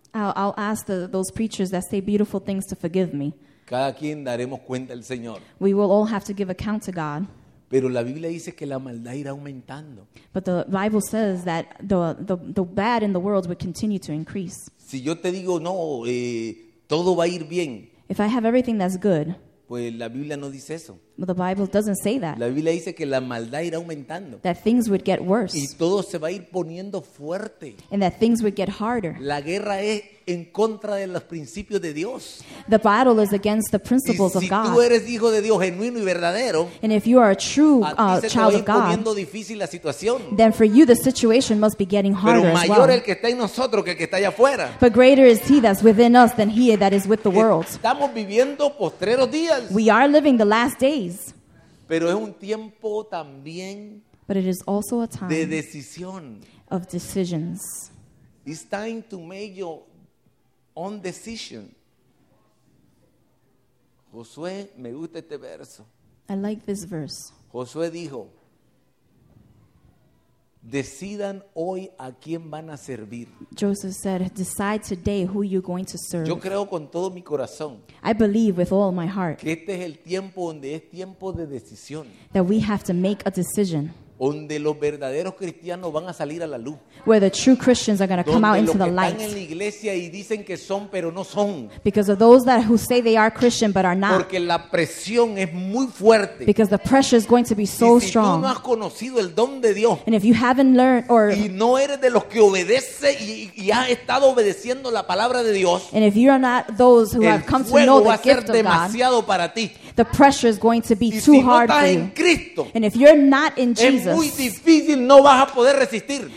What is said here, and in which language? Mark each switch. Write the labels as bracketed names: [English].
[English] I'll ask those preachers that say beautiful things to forgive me. [Spanish] Cada quien daremos cuenta al Señor. [English] We will all have to give account to God. [Spanish] Pero la Biblia dice que la maldad irá aumentando. [English] But the Bible says that the bad in the world would continue to increase. [Spanish] Si yo te digo no, todo va a ir bien. [English] If I have everything that's good. [Spanish] Pues la Biblia no dice eso. [English] But the Bible doesn't say that. [Spanish] La Biblia dice que la maldad irá aumentando. [English] That things would get worse. [Spanish] Y todo se va a ir poniendo fuerte. [English] And that things would get harder. [Spanish] La guerra es en contra de los principios de Dios. [English] The battle is against the principles [Spanish] si [English] of God. [Spanish] Y si tú eres hijo de Dios genuino y verdadero. [English] And if you are a true child of God. [Spanish] A ti se te va a ir poniendo difícil la situación. [English] Then for you the situation must be getting harder as well. [Spanish] Pero mayor [English] well. [Spanish] El que está en nosotros que el que está allá afuera. [English] But greater is he that's within us than he that is with the world. [Spanish] Estamos viviendo postreros días. [English] We are living the last days. [Spanish] Pero es un tiempo también [English] but it is also a time [Spanish] de decisión. [English] Of decisions. It's time to make your own decision. [Spanish] Josué, me gusta este verso. [English] I like this verse. [Spanish] Josué dijo, decidan hoy a quién van a servir. [English] Joseph said, decide today who you're going to serve. [Spanish] Yo creo con todo mi corazón. [English] I believe with all my heart. [Spanish] Que este es el tiempo donde es tiempo de decisión. [English] That we have to make a decision. [Spanish] Donde los verdaderos cristianos van a salir a la luz. [English] Where the true Christians are going to come out into the light. [Spanish] Donde los que están en la iglesia y dicen que son pero no son. [English] Because of those that who say they are Christian but are not. [Spanish] Porque la presión es muy fuerte. [English] Because the pressure is going to be so strong. [Spanish] Y si tú no has conocido el don de Dios. [English] And if you haven't learned or [Spanish] y no eres de los que obedece y has estado obedeciendo la palabra de Dios. [English] And if you are not those who have come to know the gift of God. [Spanish] El fuego va a ser demasiado para ti. [English] The pressure is going to be [Spanish] y [English] too [Spanish] si no [English] hard [Spanish] estás [English] for you. [Spanish] En Cristo, [English] and if you're not in Jesus. [Spanish] Es muy difícil, no vas a poder resistir.